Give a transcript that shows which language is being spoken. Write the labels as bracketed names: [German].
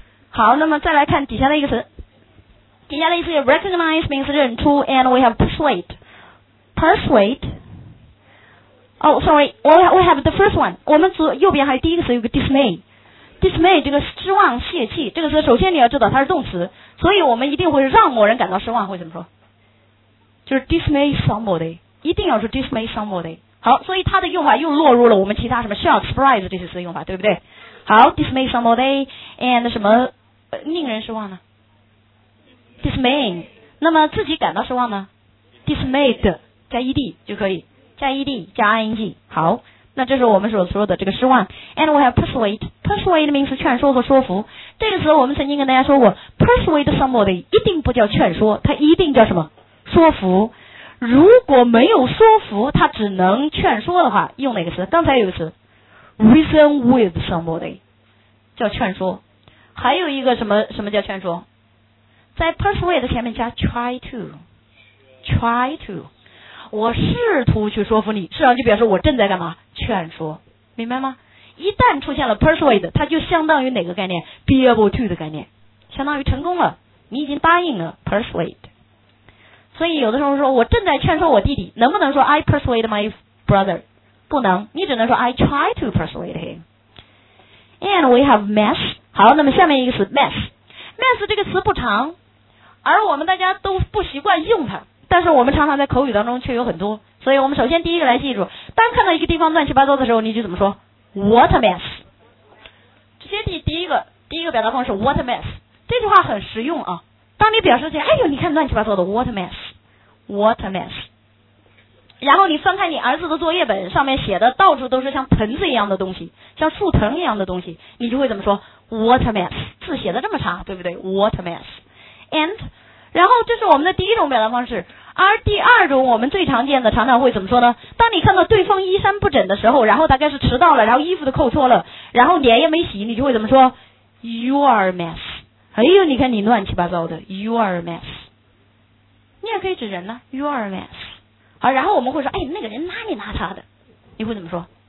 [Chinese] 好，那么再来看底下的一个词，底下的意思是 [English] recognize means [Chinese] 认出， [English] and we have persuade, persuade, oh sorry, we have the first one, [Chinese] 我们左右边还有第一个词，有个 dismay, dismay 这个失望泄气，这个词首先你要知道它是动词，所以我们一定会让某人感到失望，会怎么说？就是 [English] dismay somebody, [Chinese] 一定要是 dismay somebody。好，所以它的用法又落入了我们其他什么 shock, surprise 这些词用法，对不对？好， [English] dismay somebody and [Chinese] 什么、令人失望呢？ dismaying。 那么自己感到失望呢？ dismayed 加 ed 就可以，加 ed 加 ing。好，那这是我们所说的这个失望。 [English] and we have persuade, persuade means [Chinese] 劝说和说服。这个词我们曾经跟大家说过， persuade somebody 一定不叫劝说，它一定叫什么？说服。如果没有说服，他只能劝说的话，用哪个词？刚才有个词 [English] reason with somebody [Chinese] 叫劝说，还有一个什么什么叫劝说，在 persuade 前面加 [English] try to, try to, [Chinese] 我试图去说服你，实际上就表示我正在干嘛？劝说，明白吗？一旦出现了 persuade, 它就相当于哪个概念？ [English] be able to [Chinese] 的概念，相当于成功了，你已经答应了 persuade。所以有的时候说我正在劝说我弟弟，能不能说 [English] I persuade my brother? [Chinese] 不能，你只能说 [English] I try to persuade him. And we have mess. [Chinese] 好，那么下面一个词 mess. Mess 这个词不长，而我们大家都不习惯用它，但是我们常常在口语当中却有很多。所以我们首先第一个来记住，当看到一个地方乱七八糟的时候，你就怎么说？ [English] What a mess. [Chinese] 先记第一个表达方式， [English] What a mess. [Chinese] 这句话很实用啊，当你表示起来，哎呦，你看乱七八糟的 ， [English] what a mess, what a mess。 [Chinese] 然后你翻开你儿子的作业本，上面写的到处都是像盆子一样的东西，像树藤一样的东西，你就会怎么说 ？ [English] what a mess， [Chinese] 字写的这么长，对不对 ？ [English] what a mess。 [Chinese] And， 然后这是我们的第一种表达方式。而第二种我们最常见的，常常会怎么说呢？当你看到对方衣衫不整的时候，然后大概是迟到了，然后衣服都扣错了，然后脸也没洗，你就会怎么说 ？ [English] You are a mess。 [Chinese] 哎呦，你看你乱七八糟的 ， [English] You are a mess。 [Chinese] 你也可以指人呢 ， [English] You are a mess。 [Chinese] 好，然后我们会说，哎，那个人邋里邋遢的，你会怎么说？